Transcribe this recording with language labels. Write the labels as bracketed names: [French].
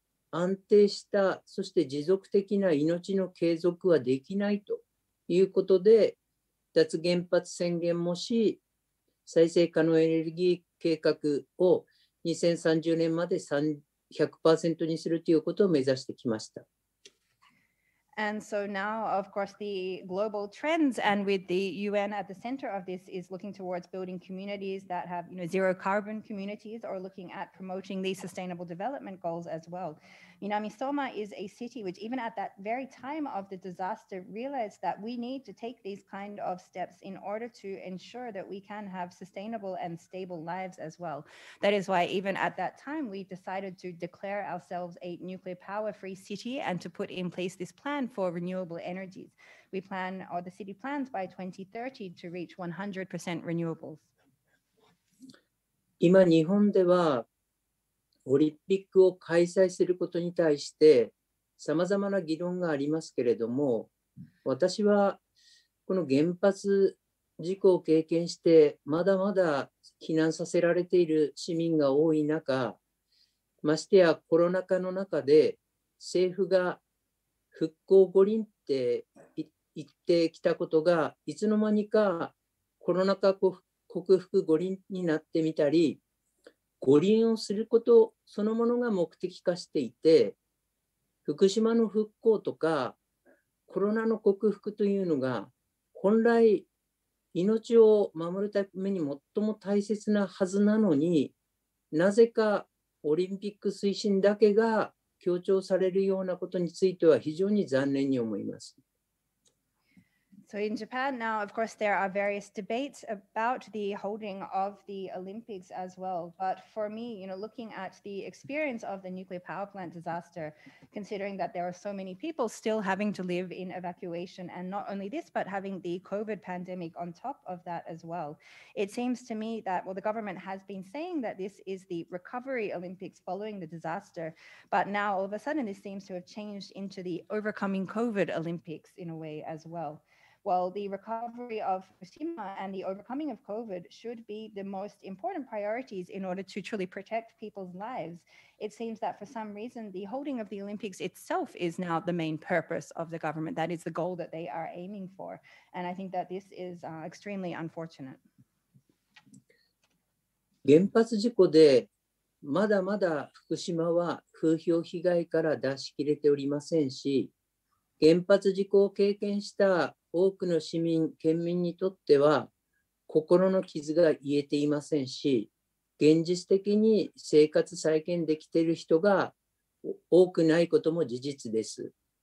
[Japanese] 安定したそして持続的な命の継続はできないということで脱原発宣言もし再生可能エネルギー計画を2030年まで100% にするということを目指してきました。 [English] And so now, of course, the global trends and with the UN at the center of this is looking towards building communities that have, you know, zero carbon communities or looking at promoting the sustainable development goals as well. 南相馬 is a city which even at that very time of the disaster realized that we need to take these kind of steps in order to ensure that we can have sustainable and stable lives as well. That is why even at that time we decided to declare ourselves a nuclear power free city and to put in place this plan for renewable energies. We plan, or the city plans by 2030 to reach 100% renewables. [Japanese] 今日本ではオリンピックを開催することに対してさまざまな議論がありますけれども、私はこの原発事故を経験してまだまだ避難させられている市民が多い中、ましてやコロナ禍の中で政府が復興五輪って言ってきたことがいつの間にかコロナ禍克服五輪になってみたり、五輪をすることそのものが目的化していて、福島の復興とかコロナの克服というのが本来命を守るために最も大切なはずなのに、なぜかオリンピック推進だけが強調されるようなことについては非常に残念に思います。 [English] So in Japan now, of course, there are various debates about the holding of the Olympics as well. But for me, you know, looking at the experience of the nuclear power plant disaster, considering that there are so many people still having to live in evacuation, and not only this, but having the COVID pandemic on top of that as well, it seems to me that, well, the government has been saying that this is the recovery Olympics following the disaster, but now all of a sudden this seems to have changed into the overcoming COVID Olympics in a way as well. Well, the recovery of Fukushima and the overcoming of COVID should be the most important priorities in order to truly protect people's lives. It seems that for some reason, the holding of the Olympics itself is now the main purpose of the government. That is the goal that they are aiming for. And I think that this is extremely unfortunate. [Japanese] 原発事故でまだまだ福島は風評被害から脱しきれておりませんし、原発事故を経験した多くの市民、県民にとっては心の傷が癒えていませんし、現実的に生活再建できている人が多くないことも事実です。